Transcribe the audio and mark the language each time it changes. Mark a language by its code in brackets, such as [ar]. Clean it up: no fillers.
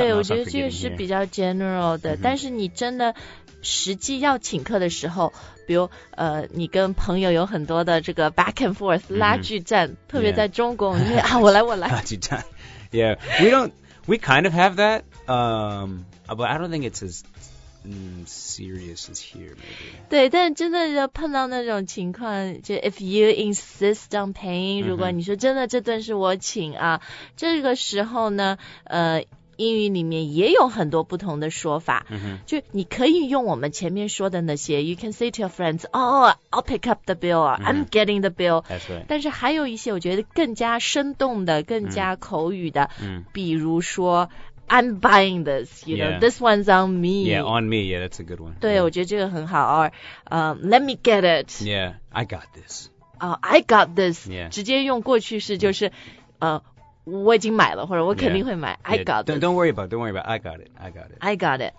[zh] 对我觉得这个是比较 general 的、mm-hmm. 但是你真的实际要请客的时候比如你跟朋友有很多的这个 back and forth、mm-hmm. 拉锯战特别在中国、 yeah. 啊我来 [en] 拉锯战 yeah we don't we kind of have that but I don't think it's as、serious as here maybe [zh] 对但真的就碰到那种情况就 [en] if you insist on paying、 [zh] mm-hmm. 如果你说真的这顿是我请啊这个时候呢英语里面也有很多不同的说法、 mm-hmm. 就你可以用我们前面说的那些 [en] You can say to your friends Oh, I'll pick up the bill、mm-hmm. I'm getting the bill That's right [zh] 但是还有一些我觉得更加生动的更加口语的、 mm-hmm. 比如说 [en] I'm buying this You know,、 yeah. this one's on me Yeah, on me Yeah, that's a good one [zh] 对、 yeah. 我觉得这个很好 [en] Or、let me get it Yeah, I got this I got this、 yeah. [zh] 直接用过去式就是、mm-hmm. 我已经买了或者我肯定会买 yeah, [en] I got it Don't worry about I got it